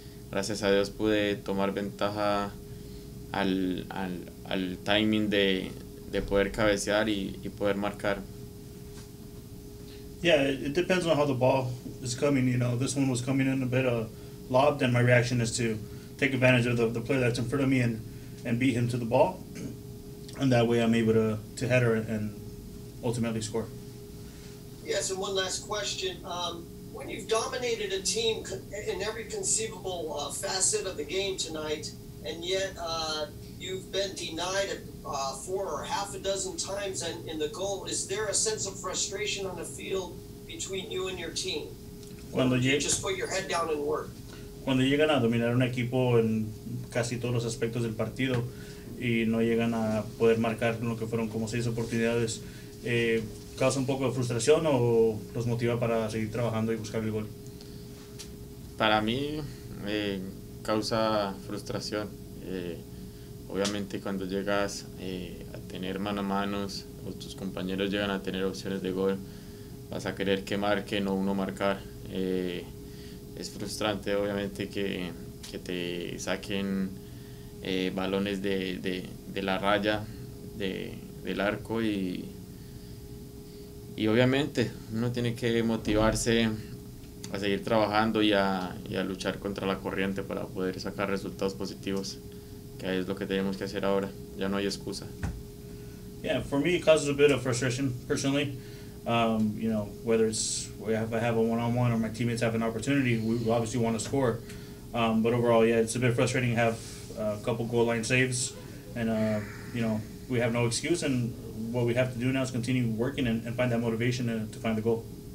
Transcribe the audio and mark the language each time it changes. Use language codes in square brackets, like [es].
[es] Gracias a Dios pude tomar ventaja al timing de poder cabecear y poder marcar. [en] Yeah, it depends on how the ball is coming. You know, this one was coming in a bit lobbed, and my reaction is to take advantage of the player that's in front of me and beat him to the ball, and that way I'm able to header and ultimately score. Yes, and one last question. When you've dominated a team in every conceivable facet of the game tonight, and yet you've been denied four or half a dozen times in the goal, is there a sense of frustration on the field between you and your team? Just put your head down and work. [es] Cuando llegan a dominar un equipo en casi todos los aspectos del partido y no llegan a poder marcar lo que fueron como 6 oportunidades, ¿causa un poco de frustración o los motiva para seguir trabajando y buscar el gol? Para mí causa frustración. Obviamente cuando llegas a tener mano a mano o tus compañeros llegan a tener opciones de gol, vas a querer que marquen o uno marcar. Es frustrante obviamente que te saquen balones de la raya del arco Y obviamente uno tiene que motivarse a seguir trabajando y a luchar contra la corriente para poder sacar resultados positivos, que es lo que tenemos que hacer ahora. Ya no hay excusa. [en] Yeah, for me it causes a bit of frustration personally. You know, whether it's if I have a one-on-one or my teammates have an opportunity, we obviously want to score. But overall, yeah, it's a bit frustrating to have a couple goal line saves. And, you know, we have no excuse. And what we have to do now is continue working and find that motivation to find the goal.